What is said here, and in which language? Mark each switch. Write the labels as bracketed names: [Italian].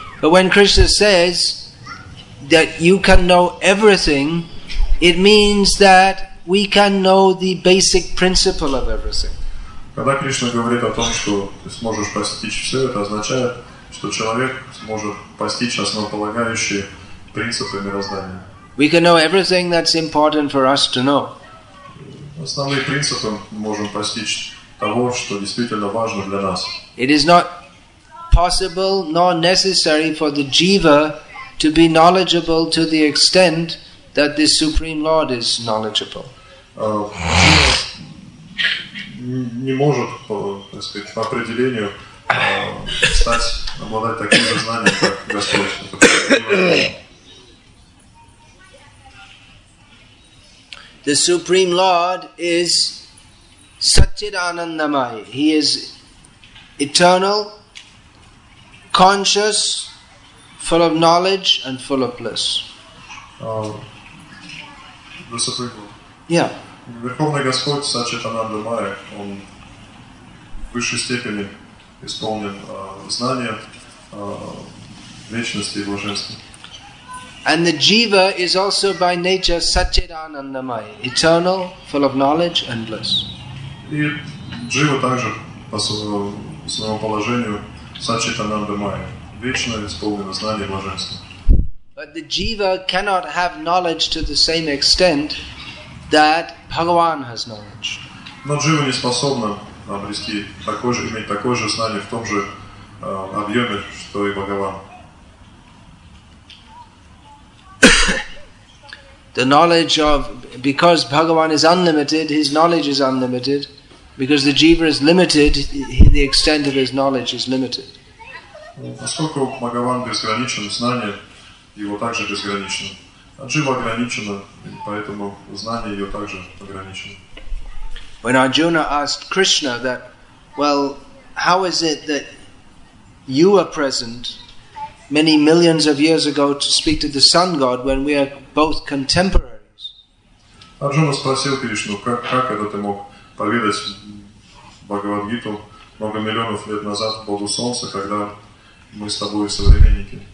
[English] But when Krishna says that you can know everything, it means that we can know the basic principle of everything. [Russian] Когда Кришна говорит о том, что ты сможешь постичь все, это означает, что человек сможет постичь основополагающие принципы мироздания. [English] We can know everything that's important for us to know. [Russian] Основные принципы мы можем постичь того, что действительно важно для нас. [English] It is not possible nor necessary for the jiva to be knowledgeable to the extent that the Supreme Lord is knowledgeable. [Russian] Не может, так сказать, по определению стать обладать таким же знанием, как Господь. [English] The Supreme Lord is Satchidanandamayi. He is eternal, conscious, full of knowledge and full of bliss. The Supreme Lord. Yeah. [Russian] Верховный Господь Сатчитанандамайя, он в высшей степени исполнен знания, вечности и блаженства. [English] And the jiva is also by nature Satchidanandamayi, eternal, full of knowledge and bliss. [Russian] И jiva также по своему положению Satchidanandamayi, вечно исполнено знание блаженства. [English] But the jiva cannot have knowledge to the same extent that Bhagavan has knowledge. [Russian] Но jiva не способна обрести такое же, иметь такое же знание в том же объеме, что и Бхагаван. [English] The knowledge of, because Bhagavan is unlimited, his knowledge is unlimited. Because the jiva is limited, the extent of his knowledge is limited. [Russian] Поскольку Бхагаван безграничен, знание его также безграничено. А джива ограничена, поэтому знание ее также ограничено. When Arjuna asked Krishna that, well, how is it that you are present many millions of years ago to speak to the sun god when we are both contemporaries? Arjuna спросил Кришну, как это ты мог поведать Бхагавад-гиту много миллионов лет назад Богу Солнца, когда Мы с тобой современники.